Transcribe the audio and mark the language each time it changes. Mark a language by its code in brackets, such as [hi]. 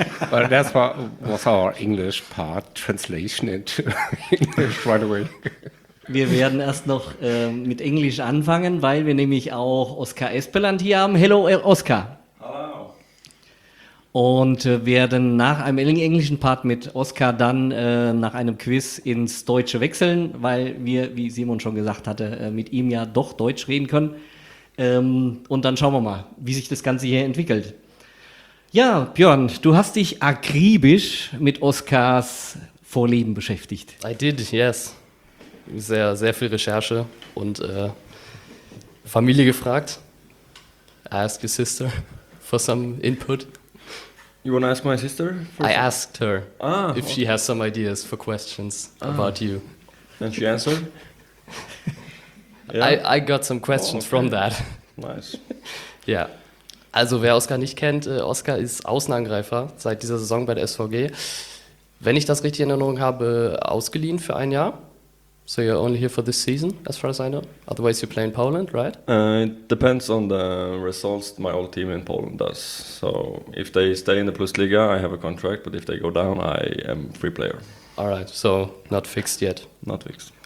[en] Well, that was our English part, translation into English right away. [de] Wir werden erst noch mit Englisch anfangen, weil wir nämlich auch Oskar Espeland hier haben. [en] Hello, Oskar. [de] Hallo. Und werden nach einem englischen Part mit Oskar dann nach einem Quiz ins Deutsche wechseln, weil wir, wie Simon schon gesagt hatte, mit ihm ja doch Deutsch reden können. Und dann schauen wir mal, wie sich das Ganze hier entwickelt. Ja, Björn, du hast dich akribisch mit Oskars Vorlieben beschäftigt. [en] I did, yes. [de] Sehr, sehr viel Recherche und Familie gefragt. [en] Ask your sister for some input. You want to ask my sister? I asked her if she has some ideas for questions about you. And she answered? Yeah. I got some questions from that. Nice. Ja. Yeah. [de] Also wer Oskar nicht kennt, Oskar ist Außenangreifer seit dieser Saison bei der SVG. Wenn ich das richtig in Erinnerung habe, ausgeliehen für ein Jahr. [en] So you're only here for this season, as far as I know. Otherwise you play in Poland, right? It depends on the results my old team in Poland does. So if they stay in the Plusliga, I have a contract, but if they go down, I am free player. Alright, so not fixed yet. Not fixed.